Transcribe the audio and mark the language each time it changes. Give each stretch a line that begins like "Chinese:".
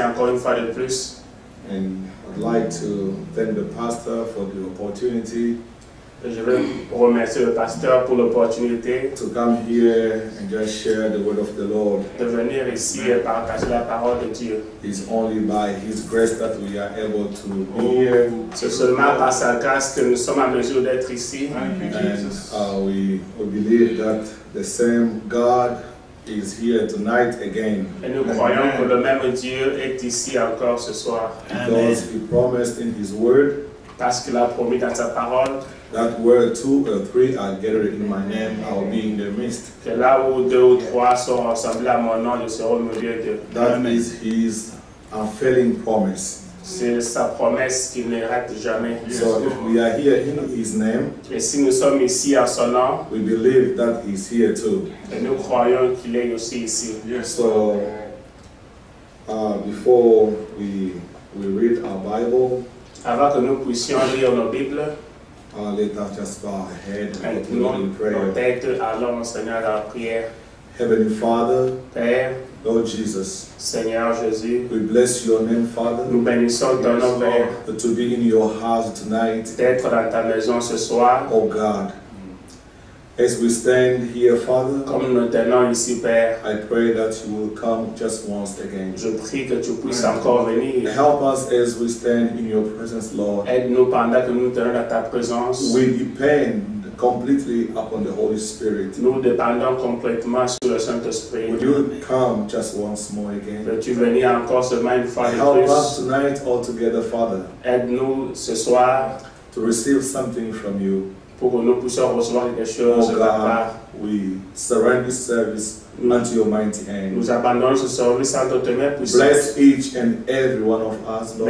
English: And I'd like to thank the pastor for the opportunity.
French: Je veux remercier le pasteur pour l'opportunité
English: to come here and just share the word of the Lord.
French: De venir ici et partager la parole de Dieu.
English: It's only by His grace that we are able to be here.
French: C'est seulement par sa grâce que nous sommes en mesure d'être ici.
English: And we believe that the same God is here tonight again.
French: Et nous croyons que le même Dieu est ici encore ce soir.
English: Because He promised in His word,
French: parce qu'il a promis dans sa parole,
English: that where two or three are gathered in my name, I will be in their midst.
French: Que là où deux ou trois sont rassemblés à mon nom, je serai au milieu d'eux.
English: That is His unfailing promise.
French: C'est sa promesse qui ne rate jamais.
English: So if we are here in His name,
French: et si nous sommes ici à son nom,
English: we believe that He is here too.
French: Et nous croyons qu'il est aussi ici.
English: So before we read our Bible,
French: avant que nous puissions lire nos Bibles,
English: let us just bow our head and put it in prayer.
French: Nos têtes, allons au Seigneur dans la prière.
English: Heavenly Father,
French: Père,
English: Lord Jesus,
French: Seigneur Jésus,
English: we bless Your name, Father.
French: Nous bénissons ton nom, Père.
English: To be in Your house tonight,
French: d'être dans ta maison ce soir.
English: Oh God, as we stand here, Father,
French: comme nous tenons ici, Père,
English: I pray that You will come just once again.
French: Je prie que tu puisses encore venir.
English: Help us as we stand in Your presence, Lord.
French: Aide-nous pendant que nous tenons dans ta présence.
English: We depend completely upon the Holy Spirit.
French: Nous dépendons complètement sur le Saint-Esprit.
English: Would You come just once more again?
French: Veux-tu venir encore seulement une fois de
English: plus? Help us tonight all together, Father.
French: Aide-nous ce soir
English: to receive something from You.
French: Pour que nous puissions recevoir quelque chose de ta part.
English: We surrender this service unto Your mighty hand.
French: Nous abandonnons ce service à ton main puissante.
English: Bless each and every one of us, Lord.